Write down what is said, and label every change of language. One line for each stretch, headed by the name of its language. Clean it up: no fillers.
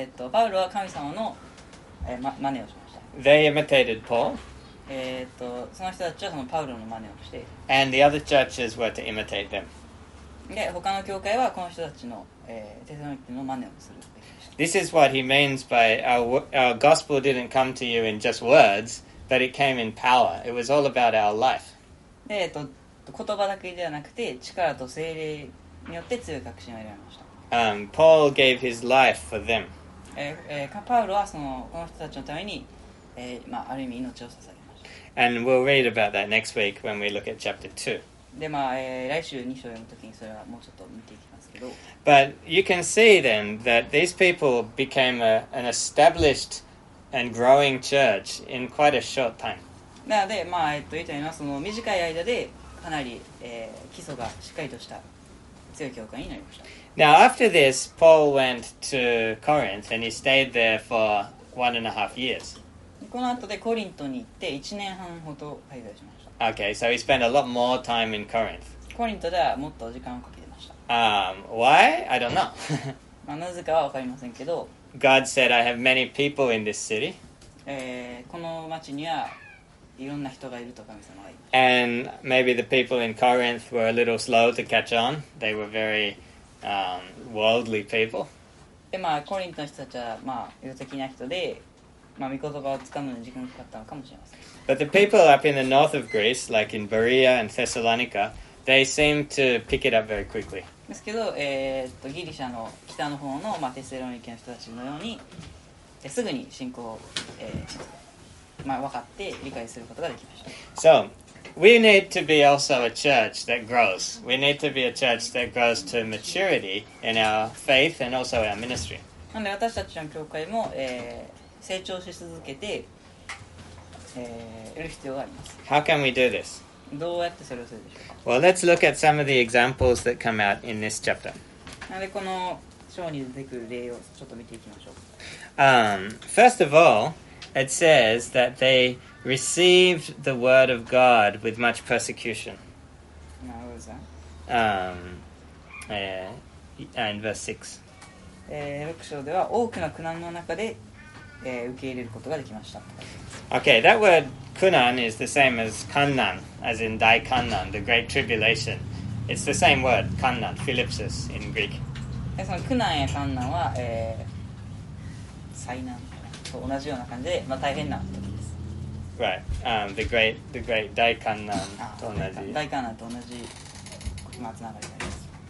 Japanese: パウロは神様の、真似をしました。
English: They imitated Paul.
Japanese: その人たちはそのパウロの真似をして
English: And the other churches were to imitate them.
Japanese: で、他の教会はこの人たちの、テサロニケの真似をする。
English: This is what he means by our gospel didn't come to you in just words, but it came in power. It was all about our life.
Japanese: 言葉だけではなくて、力と聖霊によって強い確信を得られました。
English: Paul gave his life for them.
Japanese: パウロはこの人たちのために、ある意味命を捧げました。
English: And we'll read about that next week when we look at chapter 2.
Japanese: で、来週2章読むときにそれはもうちょっと見ていきます。
English: But you can see then that these people became an established and growing church in quite a short time.
Japanese: なので、言いたいのはその短い間でかなり、基礎がしっかりとした強い教会になりました。
English: Now after this, Paul went to Corinth and he stayed there for 1.5 years.
Japanese: この後でコリントに行って1年半ほど滞在しました。
English: Okay, so he spent a lot more time in Corinth.
Japanese: コリントではもっと時間をかけて。
English: Why? I don't know.
Japanese: なぜかは分かりませんけど。
English: God said, I have many people in this city.
Japanese: この町にはいろんな人がいると神様は言いました。
English: And maybe the people in Corinth were a little slow to catch on. They were very, worldly people.
Japanese: で、コリントの人たちは、意図的な人で、御言葉をつかむのに時間がかかったのかもしれません。
English: But the people up in the north of Greece, like in Berea and Thessalonica,They seem to pick it up very quickly.
Japanese: ですけど、ギリシャの北の方の、テセロニケの人たちのように、すぐに信仰を、分かって理解することができました。
English: So, we need to be also a church that grows. We need to be a church that grows to maturity in our faith and also our ministry.
Japanese: なので私たちの教会も、成長し続けて、いる必要があります。
English: How can we do this?
Japanese: どうやってそれをするでしょうか?
English: Well, let's look at some of the examples that come out in this chapter.
Japanese: なので、この章に出てくる例をちょっと見ていきましょう。
English: First of all, it says that they received the word of God with much persecution. Now, what was that? In verse 6.
Japanese: 6章では多くの苦難の中で、受け入れることができました。
English: Okay, that word kunan is the same as kannan, as in dai kannan, the great tribulation. It's the same word, kannan, philipsis in Greek.
Japanese: その苦難や困難は、災難と同じような感じで、まあ、大変な時です。
English: Right,、the great
Japanese: 大困難と同じ。大困難と同じ、まあ、つながりになります。